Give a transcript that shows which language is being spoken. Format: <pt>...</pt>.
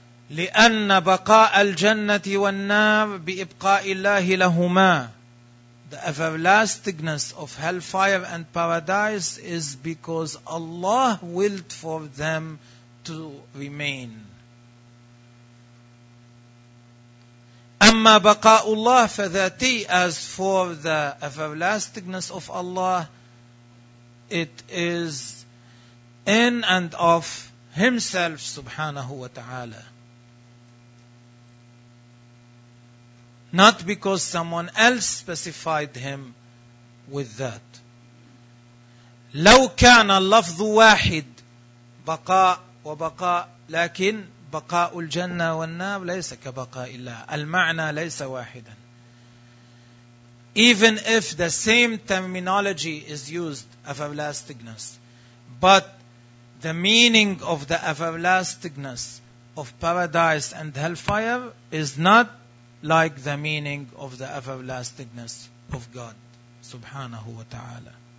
<ar>لأن بقاء الجنة والنار بإبقاء الله لهما.</ar> <en>The everlastingness of hellfire and paradise is because Allah willed for them to remain.</en> <ar>أما بقاء الله فذاتي.</ar> <en>As for the everlastingness of Allah, it is in and of Himself</en> <ar>سبحانه وتعالى.</ar> <en>Not because someone else specified Him with that.</en> <ar>لو كان اللفظ واحد بقاء وبقاء، لكن بقاء الجنة والنار ليس كبقاء الله. المعنى ليس واحدا.</ar> <en>Even if the same terminology is used, everlastingness, but the meaning of the everlastingness of paradise and hellfire is not like the meaning of the everlastingness of God</en> <ar>subhanahu wa ta'ala.</ar>